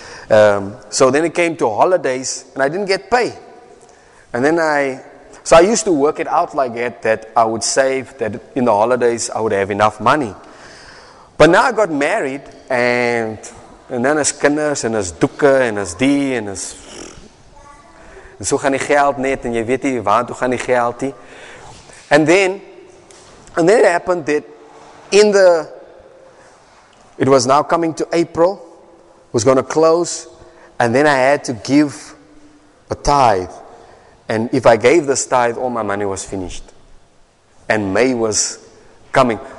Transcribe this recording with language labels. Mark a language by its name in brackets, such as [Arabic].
[English] So then it came to holidays, and I didn't get pay. And then I used to work it out like that I would save, that in the holidays I would have enough money. But now I got married, and then as kinders, and as doeke, and as die, and as... [Afrikaans] And so gaan die geld net, and jy weet nie waar toe gaan die geld nie. [English] And then it happened that it was now coming to April, was going to close, and then I had to give a tithe. And if I gave this tithe, all my money was finished. And May was coming.